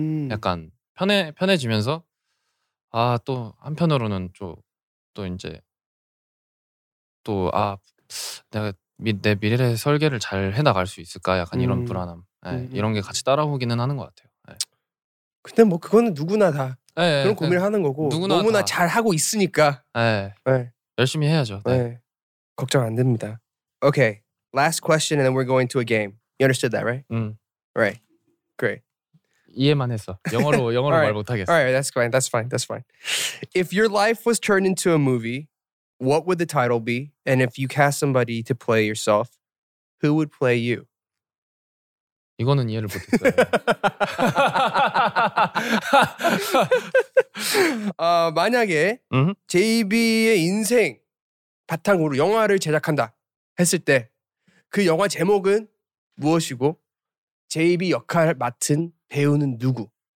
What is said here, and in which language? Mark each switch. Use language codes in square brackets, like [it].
[ko] 약간 편해지면서 아, 또 한편으로는 또 이제 또 아 내 미래의 설계를 잘 해나갈 수 있을까 약간 이런 불안함 이런 게 같이 따라오기는 하는 것 같아요. 근데 뭐 그거는 누구나 다 그런 고민을 하는 거고 너무나 잘 하고 있으니까 열심히 해야죠. 걱정 안 됩니다. [en] Okay, last question and then we're going to a game. You understood that, right? Right. Great. [ko] 이해만 했어. 영어로 [en] right. [ko] 말 못하겠어. [en] Alright, that's fine. If your life was turned into a movie, what would the title be? And if you cast somebody to play yourself, who would play you? [ko] 이거는 이해를 못했어요. 만약에 mm-hmm. JB의 인생 바탕으로 영화를 제작한다 했을 때 그 영화 제목은 무엇이고 JB 역할을 맡은 배우는 누구?